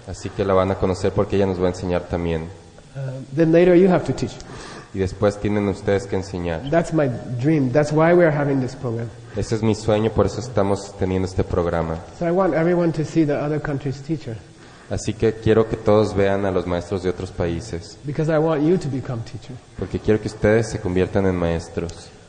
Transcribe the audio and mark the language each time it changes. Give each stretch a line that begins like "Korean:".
Spanish: Así que la van a conocer porque ella nos va a enseñar también.
English: Then later you have to teach.
Spanish: Y después tienen ustedes que enseñar.
English: That's my dream. That's why we are having this program.
Spanish: Ese es mi sueño, por eso estamos teniendo este programa.
English: So I want everyone to see the other country's teacher.
Spanish: Así que quiero que todos vean a los maestros de otros países.
English: Because I want you to become teacher.
Spanish: Porque quiero que ustedes se conviertan en maestros.